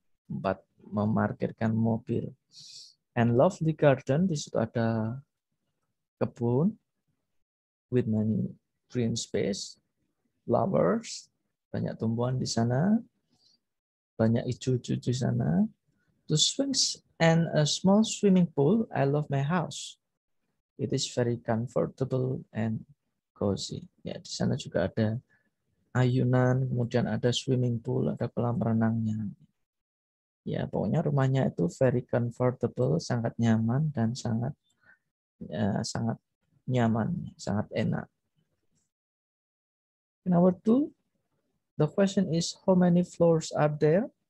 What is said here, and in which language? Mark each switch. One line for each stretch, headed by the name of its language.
Indonesian: Tempat memarkirkan mobil.
English: And lovely garden,
Indonesian: di situ ada kebun
English: with many green space, flowers,
Indonesian: banyak tumbuhan di sana, banyak hijau-hijau di sana.
English: The swings and a small swimming pool, I love my house. It is very comfortable and cozy.
Indonesian: Ya, di sana juga ada ayunan, kemudian ada swimming pool, ada kolam renangnya. Ya, pokoknya rumahnya itu
English: very comfortable,
Indonesian: sangat nyaman dan sangat sangat nyaman, sangat enak.
English: Number two, the question is how many floors are there?